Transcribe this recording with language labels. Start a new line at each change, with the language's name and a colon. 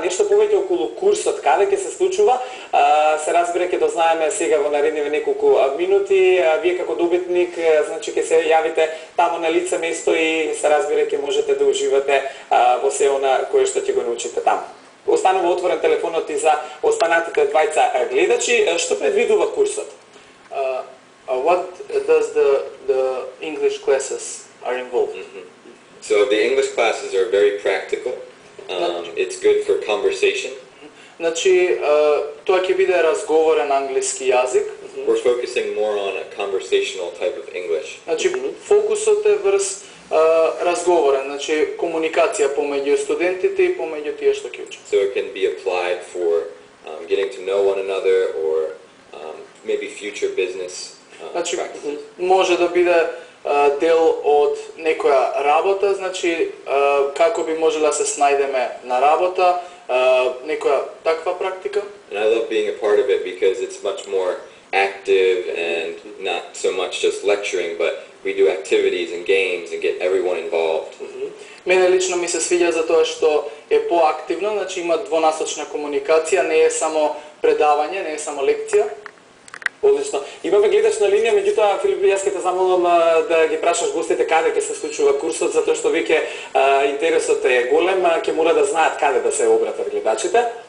Macedonian: Нешто повеќе околу курсот, каде ќе се случува, се разбира, ќе дознаеме сега во наредниве неколку минути. Вие како добитник, значи, ќе се јавите таму на лице место и се разбира, ќе можете да уживате во се она кое што ќе го научите таму. Останува отворен телефонот и за останатите двајца гледачи. Што предвидува курсот?
English: What does the English classes are involved? So the English classes are very practical. It's good for conversation.
Macedonian: Значи, тоа ќе биде разговорен англиски јазик.
English: We're focusing more on a conversational type of English.
Macedonian: Значи, фокусот е врз разговорен, значи комуникација помеѓу студентите и помеѓу тие што ќе учат.
English: So it can be applied for getting to know one another or maybe future business.
Macedonian: Може да биде дел од некоја работа, значи како би можела се снајдеме на работа, некоја таква практика.
English: And I love being a part of it because it's much more active and not so much just lecturing, but we do activities and games and get everyone involved.
Macedonian: Мене лично ми се свиѓа за тоа што е поактивно, значи има двонасочна комуникација, не е само предавање, не е само лекција. Одлично. Имаме гледач на линија, меѓутоа Филип, јас ќе те замолам да ги прашаш гостите каде ќе се случува курсот, затоа што веќе интересот е голем, ќе мора да знаат каде да се обратат гледачите.